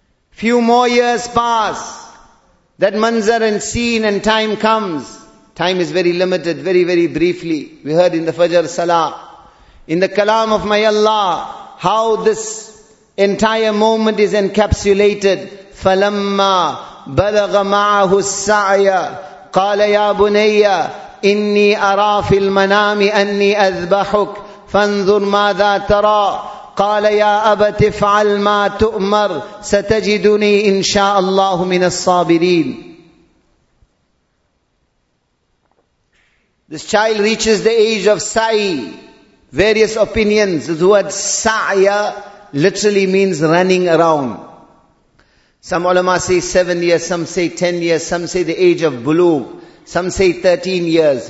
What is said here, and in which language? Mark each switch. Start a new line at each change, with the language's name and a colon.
English: Few more years pass. That manzar and scene and time comes. Time is very limited, very, very briefly. We heard in the Fajr Salah, in the kalam of my Allah, how this entire moment is encapsulated.
Arabic: Falamma balagha ma'ahu as-sa'ya qala ya bunayya inni ara fil manami anni adbahuk فانظر ماذا ترى قال يا أبت افعل ما تؤمر ستجدني إن شاء الله من الصابرين.
English: This child reaches the age of sa'i. Various opinions, the word sa'ya literally means running around. Some ulama say 7 years, some say 10 years, some say the age of bulug, some say 13 years.